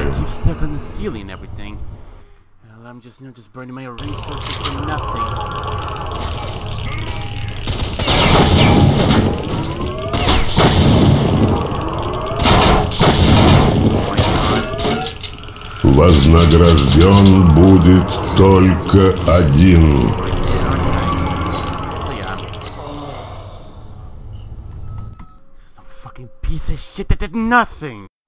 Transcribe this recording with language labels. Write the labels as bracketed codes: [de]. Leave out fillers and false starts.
[en] I keep stuck on the ceiling and everything. Well, I'm just, you know, just burning my resources for nothing. [ru] Вознагражден будет только один. [en] Some fucking piece of shit that did nothing.